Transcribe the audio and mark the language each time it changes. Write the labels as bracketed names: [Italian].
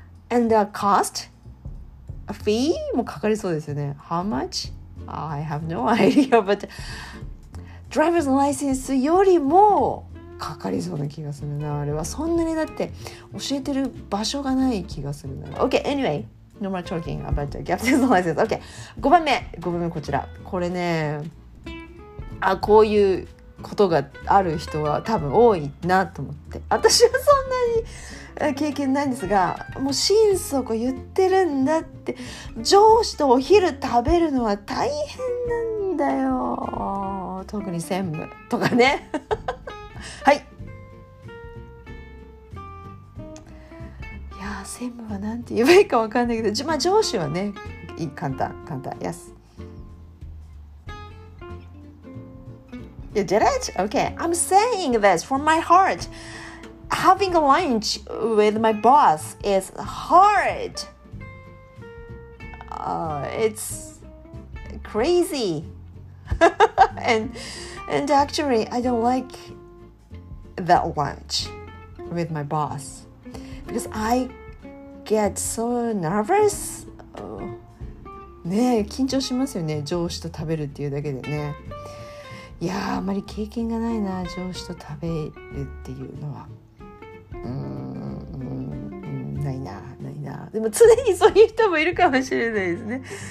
[English] And the cost? A fee? [Japanese] もかかりそうですよね。 [English] How much? I have no idea, but driver's license [Japanese] よりもかかりそうな気がするな、あれは。そんなにだって教えてる場所がない気がするな。 [English] Okay, anyway, no more talking about the captain's license. [Japanese] Okay, 5番目こちら。これね、あ、こういうことがある人は多分多いなと思って、私はそんなに経験ないんですが、もう心底言ってるんだって、上司とお昼食べるのは大変なんだよ、特に専務とかね。はい、いや専務はなんて言えばいいか分かんないけど、まあ、上司はね、いい、簡単簡単、 [English] Yes、 You did it? Okay, I'm saying this from my heart. Having lunch with my boss is hard. It's crazy. And actually, I don't like that lunch with my boss because I get so nervous. [Japanese] ね、緊張しますよね、上司と食べるっていうだけでね。いやあ、あまり経験がないな、上司と食べるっていうのは。ないな、ないな。でも常にそういう人もいるかもしれないですね。